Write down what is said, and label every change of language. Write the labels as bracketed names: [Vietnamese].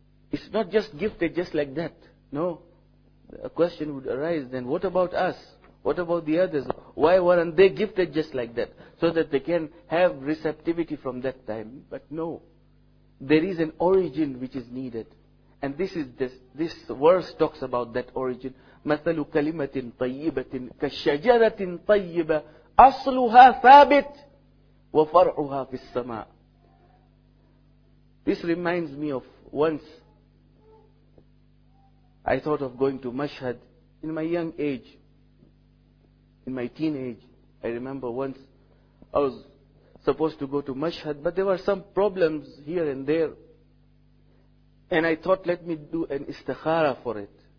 [English] It's not just gifted just like that. No. A question would arise then, what about us? What about the others? Why weren't they gifted just like that? So that they can have receptivity from that time. But no. There is an origin which is needed. And this is this verse talks about that origin. [Arabic] مثل كلمة طيبة كشجرة طيبة أصلها ثابت وفرعها في السماء. [English] This reminds me of once I thought of going to Mashhad in my young age, in my teenage. I remember once I was supposed to go to Mashhad, but there were some problems here and there, and I thought, let me do an istikhara for it.